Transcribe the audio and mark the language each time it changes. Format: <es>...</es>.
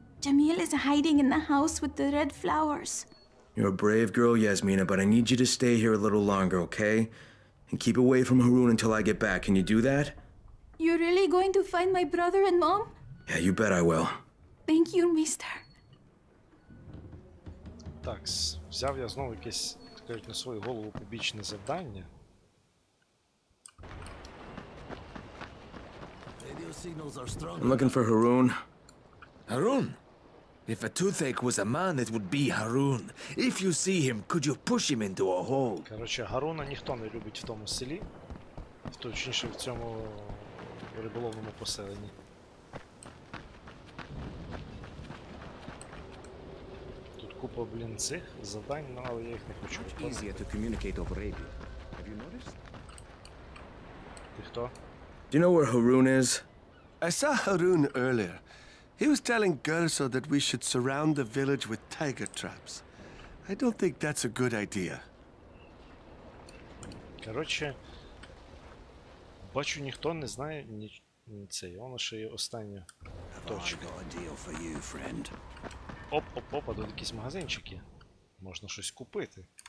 <en>Jamil is hiding in the house with the red flowers. You're a brave girl, Yasmina, but I need you to stay here a little longer, okay? And keep away from Harun until I get back. Can you do that? You're really going to find my brother and mom? Yeah, you bet I will. Thank you, mister.</en> <uk>Так, взяв я знову якесь, так кажуть, на свою голову побічне завдання.</uk> <en>I'm looking for Harun. Harun? If a toothache was a man, it would be Harun. If you see him, could you push him into a hole?</en> <uk>Короче, Харуна ніхто не любить в тому селі. Точніше, в цьому риболовному поселенні. Тут купа, блін, цих завдань, ну, але я їх не хочу виконувати.</uk> <en>Much easier to communicate over radio. Have you noticed?</en> <uk>Ти хто?</uk> <en>Do you know where Harun is? I saw Harun earlier. He was telling Gerso that we should surround the village with tiger traps. I don't think that's a good idea.</en> <uk>Короче, бачу, ніхто не знає ні це. Воно ще є остання точка. Оп-оп-оп, а тут якісь магазинчики. Можна щось купити.</uk>